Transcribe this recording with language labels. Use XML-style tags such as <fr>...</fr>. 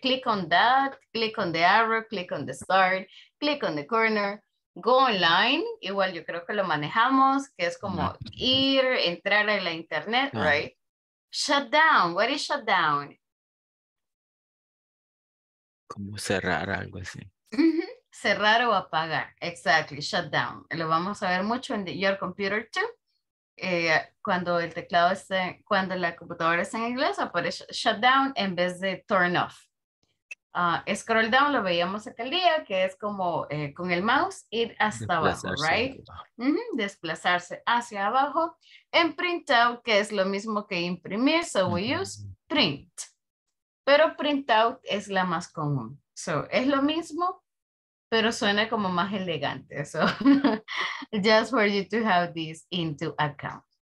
<en>Click on that, click on the arrow, click on the start, click on the corner.</en> <es>Go online, igual yo creo que lo manejamos, que es como ir, entrar en la internet, right?</es> <en>Shut down, what is shut down?</en> <es>Como cerrar algo así. Cerrar o apagar, exactly, shut down. Lo vamos a ver mucho en</es> <en>your computer too.</en> <es>Cuando el teclado esté, cuando la computadora está en inglés, aparece shut down en vez de turn off. Scroll down, lo veíamos aquel día, que es como con el mouse ir hasta abajo, right? Desplazarse hacia abajo. En printout, que es lo mismo que imprimir,</es> <en>so we use print.</en> <es>Pero printout es la más común. So, es lo mismo, pero suena como más elegante.</es> <en>So, just for you to have this into account.</en>